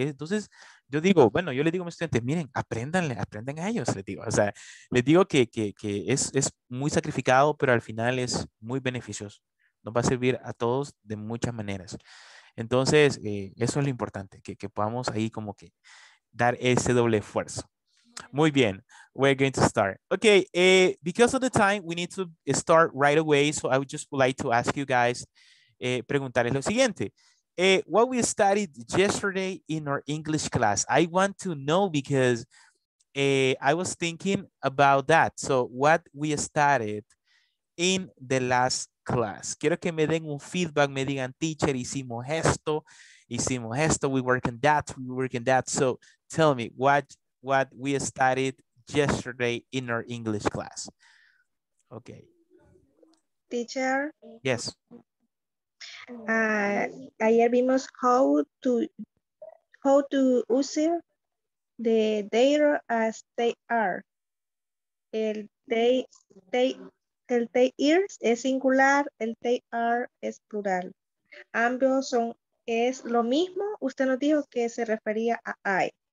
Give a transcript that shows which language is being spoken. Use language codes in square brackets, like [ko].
[es] Entonces, yo digo, bueno, yo les digo a mis estudiantes, miren, apréndanle, aprendan a ellos, les digo. O sea, les digo que es muy sacrificado, pero al final es muy beneficioso. Nos va a servir a todos de muchas maneras. Entonces, eso es lo importante, que podamos ahí como que dar ese doble esfuerzo. Muy bien, [en] we're going to start. Okay, because of the time, we need to start right away, so I would just like to ask you guys, [es] preguntarles lo siguiente. [en] What we studied yesterday in our English class, I want to know because I was thinking about that. So what we studied in the last class. [es] Quiero que me den un feedback, me digan, teacher, hicimos esto, [en] we work on that. So tell me what we studied yesterday in our English class. Okay. Teacher? Yes. [es] Ayer vimos [en] how to use the there as they are. [es] El they is es singular, el they are es plural. Ambos son, es lo mismo. Usted nos dijo que se refería a I.